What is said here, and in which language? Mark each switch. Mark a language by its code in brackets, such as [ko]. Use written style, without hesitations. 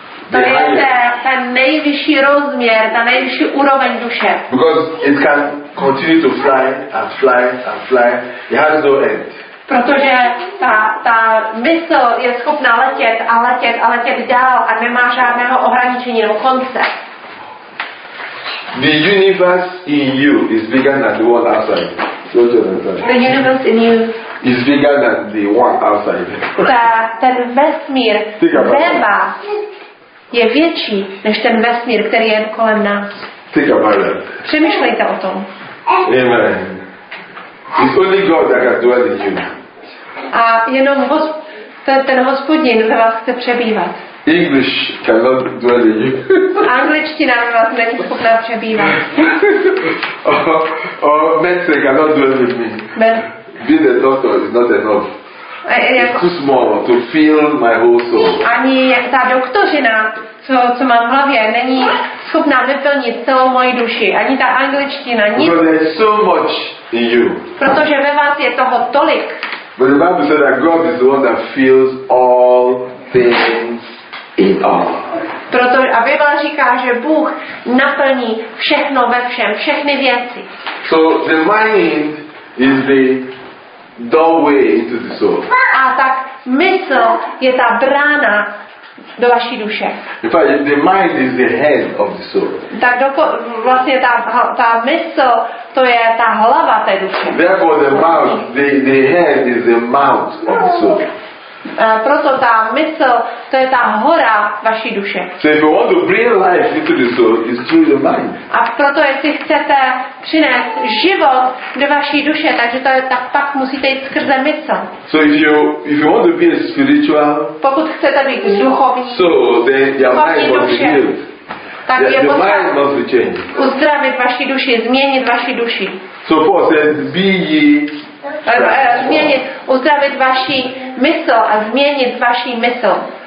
[cs] To je ten nejvyšší rozměr, ta nejvyšší úroveň duše. [en] Because it can continue to fly and fly and fly. It has no end. [cs] Protože ta mysl je schopná letět a letět a letět dál a nemá žádného ohraničení nebo konce. [en] The universe in you is bigger than the world outside. Your children inside. The universe in you. Is bigger than the one outside. [cs] Ten vesmír zeba je větší než ten vesmír, který je kolem nás. [en] Think about that. [cs] Přemýšlejte o tom. [en] Amen. It's only God that can dwell in you. [cs] A jenom ten Hospodin ve vás chce přebývat. [en] English cannot dwell in you. [cs] Angličtina ve vás není schopná přebývat. [en] Or Mexico cannot dwell in me. Being a doctor is not enough. It's too small to fill my whole soul. [cs] Ani ta doktořina, co mám v hlavě, není schopná vyplnit celou moji duši. Ani ta angličtina, nic. [en] Because there's so much in you. [cs] Protože ve vás je toho tolik. [en] But the Bible says that God is the one that fills all things in all. [cs] Proto a Bible říká, že Bůh naplní všechno ve všem, všechny věci. [en] So the mind is the doorway into the soul. [cs] A tak mysl je ta brána do vaší duše. [en] In fact, the mind is the head of the soul. [cs] Tak vlastně ta mysl, to je ta hlava té duše. [en] Therefore, the mouth, the head is the mouth of the soul. [cs] Proto ta mysl, to je ta hora vaší duše. [en] So if you want to bring life into the soul, it's through the mind. [cs] A proto, jestli chcete přinést život do vaší duše, takže to je tak, pak musíte jít skrze mysl. [en] So if you want to be a spiritual, [cs] pokud chcete být duchovní, [en] so then your mind must be healed. [cs] Tak [en] your mind must be changed. [cs] Uzdravit vaší duši, změnit vaší duši. [en] So Paul says, be ye. [cs] Změnit, uzdravit vaši mysl a změnit vaši mysl.